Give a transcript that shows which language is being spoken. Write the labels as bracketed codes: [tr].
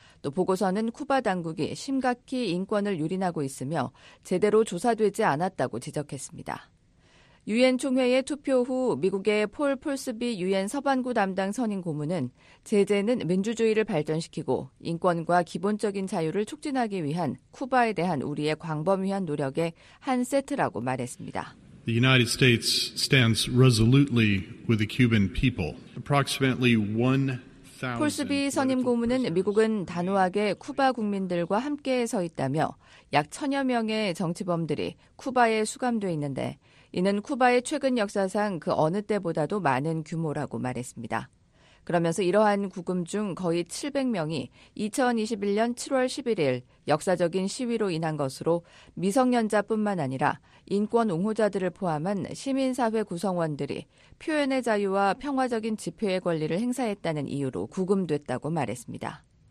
[ko] 또 보고서는 쿠바 당국이 심각히 인권을 유린하고 있으며 제대로 조사되지 않았다고 지적했습니다. 유엔 총회의 투표 후 미국의 폴 폴스비 유엔 서반구 담당 선임 고문은 제재는 민주주의를 발전시키고 인권과 기본적인 자유를 촉진하기 위한 쿠바에 대한 우리의 광범위한 노력의 한 세트라고 말했습니다. [en] The United States stands resolutely with the Cuban people. Approximately 1,000 [ko] 폴스비 선임 고문은 미국은 단호하게 쿠바 국민들과 함께 서 있다며 약 천여 명의 정치범들이 쿠바에 수감돼 있는데 이는 쿠바의 최근 역사상 그 어느 때보다도 많은 규모라고 말했습니다. 그러면서 이러한 구금 중 거의 700명이 2021년 7월 11일 역사적인 시위로 인한 것으로 미성년자뿐만 아니라 인권 옹호자들을 포함한 시민사회 구성원들이 표현의 자유와 평화적인 집회의 권리를 행사했다는 이유로 구금됐다고 말했습니다.